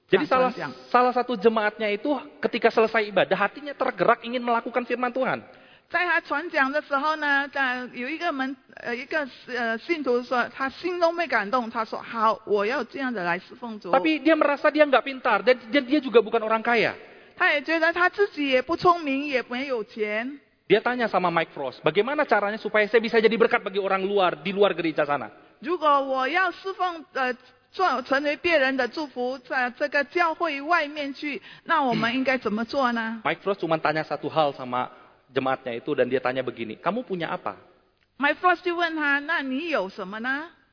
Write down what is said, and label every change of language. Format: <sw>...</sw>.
<id>Jadi salah satu jemaatnya itu ketika selesai ibadah hatinya tergerak ingin melakukan firman Tuhan.</id> <zh>在他传讲的时候呢，有一个信徒说，他心都没感动，他说好，我要这样的来侍奉主。</zh> <id>Tapi dia merasa dia enggak pintar dan dia juga bukan orang kaya.</id> <zh>他也觉得他自己也不聪明，也没有钱。</zh> <id>Dia tanya sama Mike Frost, bagaimana caranya supaya saya bisa jadi berkat bagi orang luar di luar gereja sana?</id> <zh>如果我要侍奉，做成为别人的祝福，在这个教会外面去，那我们应该怎么做呢？</zh> <id>Mike Frost cuma tanya satu hal sama jemaatnya itu, dan dia tanya begini, kamu punya apa?</id> <zh>Mike Frost 就问他，那你有什么呢？</zh>